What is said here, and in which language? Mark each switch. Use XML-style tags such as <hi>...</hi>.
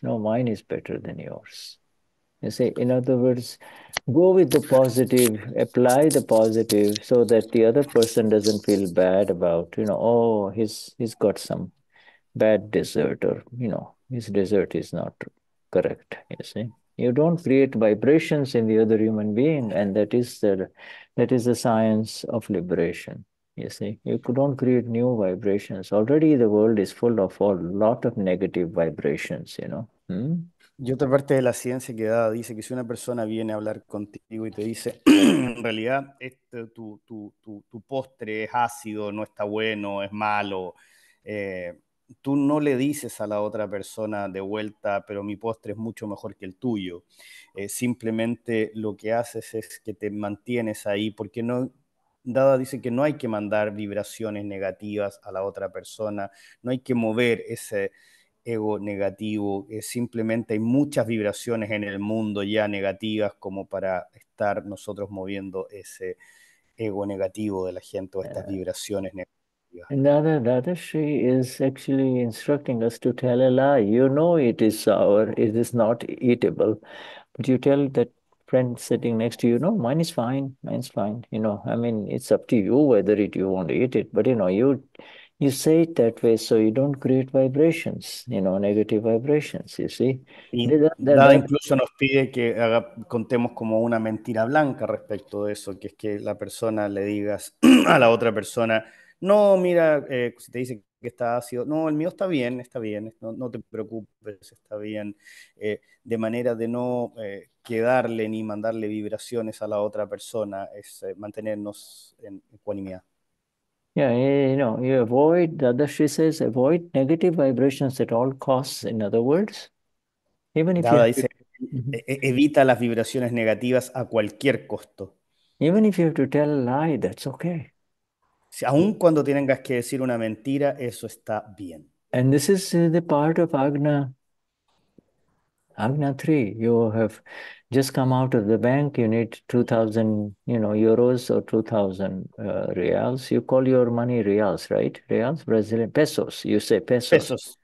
<en>No, mine is better than yours. You say, in other words, go with the positive, apply the positive, so that the other person doesn't feel bad about, he's got some bad dessert, or his dessert is not correct. You see, you don't create vibrations in the other human being, and that is the science of liberation. You see, you don't create new vibrations. Already the world is full of a lot of negative vibrations,</en> <es>Y otra parte de la ciencia que da dice que si una persona viene a hablar contigo y te dice, en realidad, tu postre es ácido, no está bueno, es malo, tú no le dices a la otra persona de vuelta, pero mi postre es mucho mejor que el tuyo. Simplemente lo que haces es que te mantienes ahí, porque no, Dada dice que no hay que mandar vibraciones negativas a la otra persona, no hay que mover ese ego negativo, simplemente hay muchas vibraciones en el mundo ya negativas como para estar nosotros moviendo ese ego negativo de la gente o estas vibraciones negativas.</es> <en>Dadashri is actually instructing us to tell a lie. You know it is sour, it is not eatable. But you tell that friend sitting next to you, no, mine is fine, mine's fine. You know, I mean, it's up to you whether it you want to eat it. But you know, you say it that way so you don't create vibrations, you know, negative vibrations, you see.</en> <es>Y Dada incluso nos pide que haga, contemos como una mentira blanca respecto de eso, que es que la persona le digas a la otra persona, no, mira, si te dice que está ácido, no, el mío está bien, no, no te preocupes, está bien, de manera de no quedarle ni mandarle vibraciones a la otra persona, es mantenernos en ecuanimidad.</es> <en>Yeah, you know, you avoid, Dadashri says, avoid negative vibrations at all costs, in other words, even if you</en> <es>Dada</es> <en>have to,</en> <es>dice, evita las vibraciones negativas a cualquier costo.</es> <en>even if you have to tell a lie, that's okay.</en> <es>Si, aun cuando tengas que decir una mentira, eso está bien.</es> <en>And this is the part of Agna 3. You have just come out of the bank, you need 2,000, you know, euros or 2,000 reals. You call your money reals, right? Reals, Brazilian pesos. You say pesos.</en>